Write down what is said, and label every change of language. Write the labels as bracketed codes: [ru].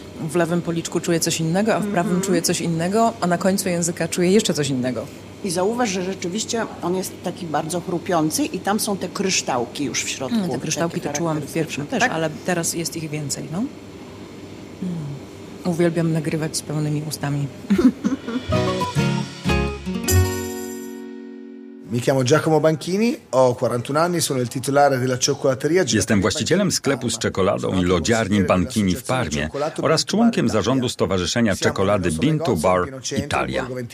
[pl] W lewym policzku czuję coś innego, a w prawym czuję coś innego, a na końcu języka czuję jeszcze coś innego. i zauważ, że rzeczywiście on jest taki bardzo chrupiący i tam są te kryształki już w środku. Te kryształki to czułam w pierwszym też, tak? Ale teraz jest ich więcej, no? Uwielbiam nagrywać z pełnymi ustami. [it] Mi chiamo Giacomo Banchini, ho 41 anni, sono il titolare della cioccolateria. [pl] Jestem właścicielem sklepu z czekoladą i lodziarni Banchini w Parmie oraz członkiem zarządu Stowarzyszenia Czekolady Bean to Bar Italia.